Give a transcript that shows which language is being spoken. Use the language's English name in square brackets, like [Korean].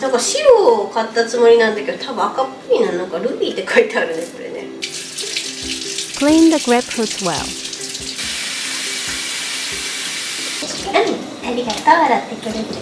[Japanese] なんか白を買ったつもりなんだけど、多分赤っぽいな。なんかルビーって書いてあるね、これね。 [English] Clean the grapefruit well. [Japanese] ありがとう、洗ってくれて。